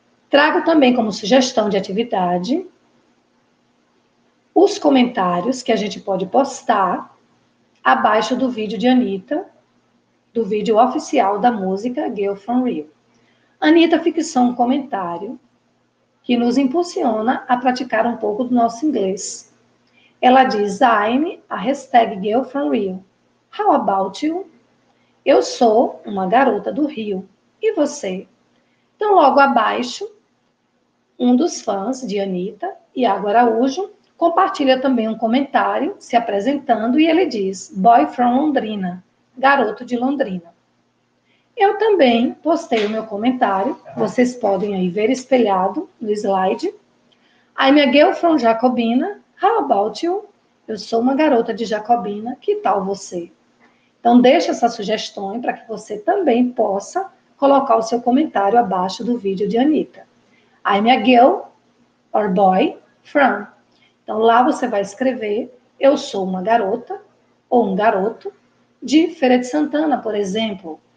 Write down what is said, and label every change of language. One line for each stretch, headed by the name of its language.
Portuguese: Trago também como sugestão de atividade os comentários que a gente pode postar abaixo do vídeo de Anitta, do vídeo oficial da música Girl From Rio. Anitta fixou um comentário que nos impulsiona a praticar um pouco do nosso inglês.
English: Ela diz, I'm a hashtag girl from Rio. How about you?
Portuguese: Eu sou uma garota do Rio. E você? Então, logo abaixo, um dos fãs de Anitta, Iago Araújo, compartilha também um comentário, se apresentando, e ele diz: Boy from Londrina, garoto de Londrina. Eu também postei o meu comentário, vocês podem aí ver espelhado no slide.
English: I'm a girl from Jacobina, how about you?
Portuguese: Eu sou uma garota de Jacobina, que tal você? Então deixa essa sugestão para que você também possa colocar o seu comentário abaixo do vídeo de Anitta. I'm a girl or boy from. Então lá você vai escrever, eu sou uma garota ou um garoto de Feira de Santana, por exemplo.